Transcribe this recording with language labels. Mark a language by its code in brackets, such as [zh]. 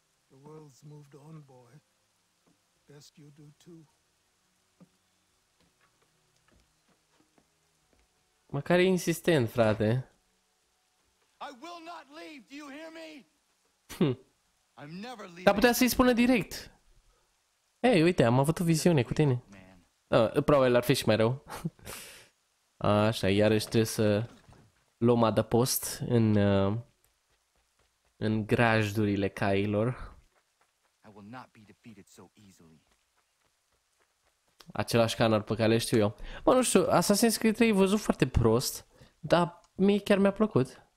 [en] The world's moved on, boy. Best you do too. [ro] Măcar e insistent, frate. [en] I will not leave, do you hear me? I'm never leaving. [ro] Dar putea să-i spună direct. Ei, hey, uite, am avut o viziune cu tine. Probabil ar fi și mai rău. Așa, iarăși trebuie să luăm adăpost în în grajdurile cailor. [en] I will not be defeated so easily. [ro] Același canar pe care le știu eu. Mă, nu știu, Assassin's Creed 3 e văzut foarte prost, dar mie chiar mi-a plăcut.